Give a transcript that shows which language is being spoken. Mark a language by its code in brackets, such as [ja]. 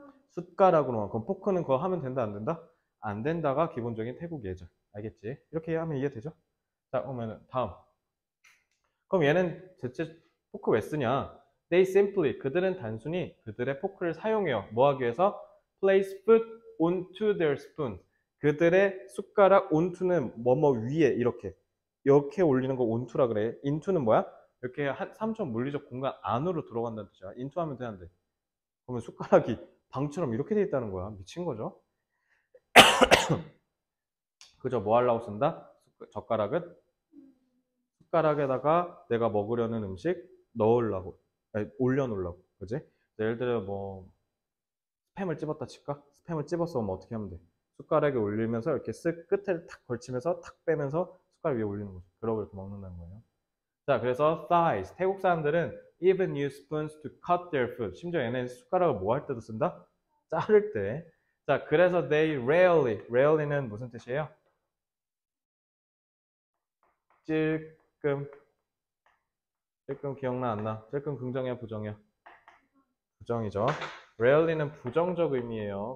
[ko] 숟가락으로만. 그럼 포크는 그거 하면 된다, 안 된다? 안 된다가 기본적인 태국 예절. 알겠지? 이렇게 하면 이해 되죠? 자, 그러면 다음. 그럼 얘는 대체 포크 왜 쓰냐? [en] They simply, [ko] 그들은 단순히 그들의 포크를 사용해요. 뭐 하기 위해서? [en] Place food onto their spoon. [ko] 그들의 숟가락 onto는 뭐뭐 위에 이렇게 이렇게 올리는 거 onto라 그래. into는 뭐야? 이렇게 한 3초 물리적 공간 안으로 들어간다는 뜻이야. into 하면 되는데. 그러면 숟가락이 방처럼 이렇게 돼 있다는 거야. 미친 거죠? 그저 뭐 하려고 쓴다? 젓가락은? 숟가락에다가 내가 먹으려는 음식 넣으려고. 아니, 올려놓으려고. 그지? 예를 들어 뭐 스팸을 찝었다 칠까? 스팸을 찝었어 그러면 어떻게 하면 돼? 숟가락에 올리면서 이렇게 쓱 끝을 탁 걸치면서 탁 빼면서 숟가락 위에 올리는 거지. 그러고 이렇게 먹는다는 거예요. 자, 그래서 thighs. 태국 사람들은 [en] even use spoons to cut their food. [ko] 심지어 얘네 숟가락을 뭐할 때도 쓴다? 자를 때. 자, 그래서 [en] they rarely. [ko] rarely는 무슨 뜻이에요? 찔끔 기억나 안 나? 찔끔 긍정이야 부정이야? 부정이죠. Rarely는 부정적 의미예요.